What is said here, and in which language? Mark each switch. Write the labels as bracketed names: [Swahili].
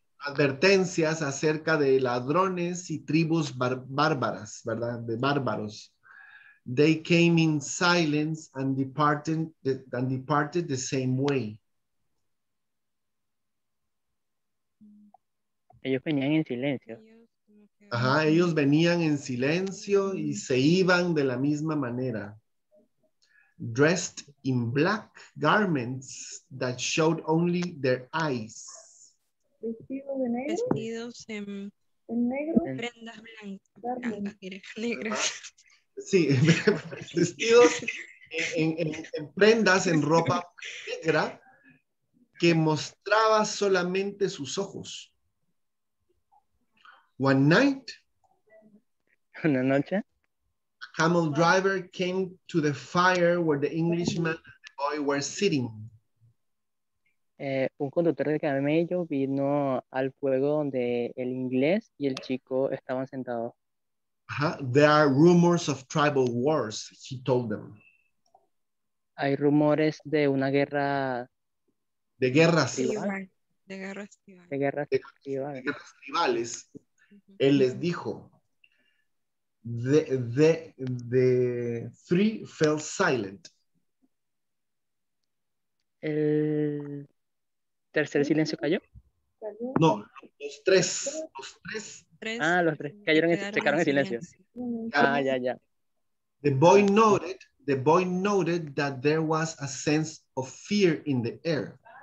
[Spanish] advertencias acerca de ladrones y tribus bárbaras, ¿verdad? De bárbaros. [English] They came in silence and departed the same way. [Spanish] Ellos venían en silencio. Ajá, ellos venían en silencio y se iban de la misma manera. [English] Dressed in black garments that showed only their eyes. [Spanish] Vestidos en negro. Prendas negras. Sí, vestidos en prendas, en ropa negra, que mostraba solamente sus ojos. [English] One night, [Spanish] una noche, [English] a camel driver came to the fire where the Englishman and the boy were sitting. [Spanish] Un conductor de camello vino al fuego donde el inglés y el chico estaban sentados. Uh-huh. [English] There are rumors of tribal wars, he told them. [Spanish] Hay rumores de una guerra. De guerras. De guerras tribales. De guerras tribales. Él les dijo, [English] the three fell silent. [Spanish] ¿El tercer silencio cayó? No, los tres. Ah, los tres cayeron, se quedaron en silencio. Ah, ya. [English] The boy noted that there was a sense of fear in the air.